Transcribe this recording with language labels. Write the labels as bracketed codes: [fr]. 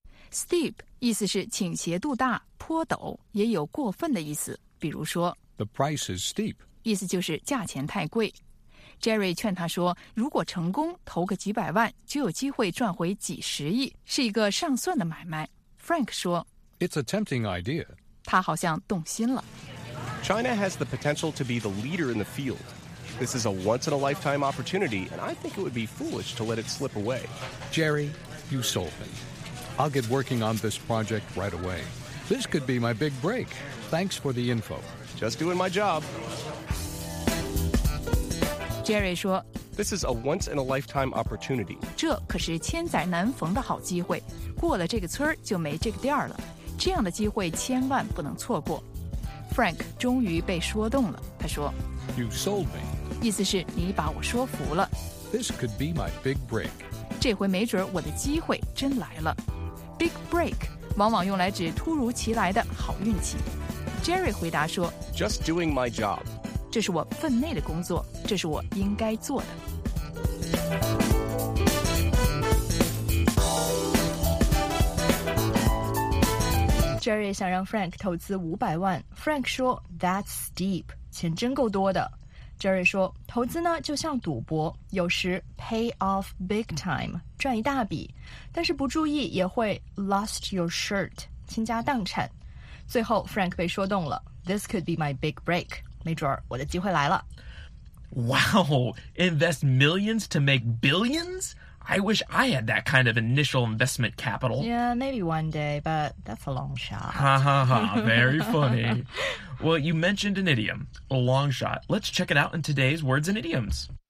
[zh] Steep 意思是倾斜度大、颇陡，也有过分的意思。比如说 [en] ，The price is steep， [zh] 意思就是价钱太贵。 Jerry 劝他说，如果成功，投个几百万就有机会赚回几十亿，是一个上算的买卖。 Frank 说 [en] ，It's a tempting idea。 [zh] 他好像动心了。 [en] China has the potential to be the leader in the field. This is a once-in-a-lifetime opportunity, and I think it would be foolish to let it slip away. Jerry, you sold me. I'll get working on this project right away. This could be my big break. Thanks for the info. Just doing my job. [zh] Jerry 说 [en] This is a once-in-a-lifetime opportunity. [zh] 这可是千载难逢的好机会。过了这个村儿就没这个店儿了。这样的机会千万不能错过。Frank 终于被说动了。他说 [en] You sold me. [zh] 意思是你把我说服了。 [en] This could be my big break. [zh] 这回没准我的机会真来了。Big break 往往用来指突如其来的好运气。 Jerry 回答说 [en] Just doing my job. [zh] 这是我分内的工作，这是我应该做的。 Jerry 想让 Frank 投资500万。Frank 说 [en] That's steep, [zh] 钱真够多的。 Jerry 说投资呢就像赌博有时 [en] pay off big time [zh] 赚一大笔但是不注意也会 [en] lost your shirt [zh] 倾家荡产最后 Frank 被说动了 [en] This could be my big break [zh] 没准我的机会来了 [en] Wow invest millions to make billions I wish I had that kind of initial investment capital Yeah maybe one day but that's a long shot Ha ha ha very funnyWell, you mentioned an idiom, a long shot. Let's check it out in today's words and idioms.